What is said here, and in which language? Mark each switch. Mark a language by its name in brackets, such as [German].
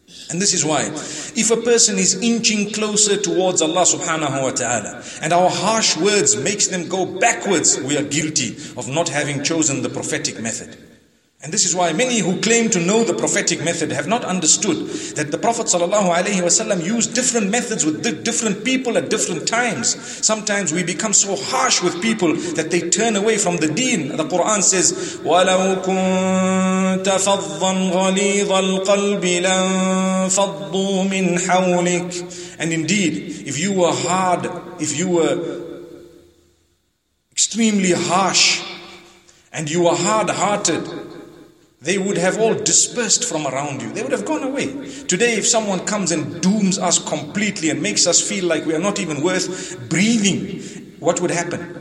[English] And this is why, if a person is inching closer towards Allah subhanahu wa ta'ala, and our harsh words makes them go backwards, we are guilty of not having chosen the prophetic method. And this is why many who claim to know the prophetic method have not understood that the Prophet sallallahu alayhi wa sallam used different methods with different people at different times. Sometimes we become so harsh with people that they turn away from the deen. The Quran says, [Arabic] وَلَوْ كُنْتَ فَضًّا غَلِيظَ الْقَلْبِ لَنْ فَضُّوا مِنْ حَوْلِكَ. [English] And indeed, if you were hard, if you were extremely harsh, and you were hard-hearted, they would have all dispersed from around you. They would have gone away. Today, if someone comes and dooms us completely and makes us feel like we are not even worth breathing, what would happen?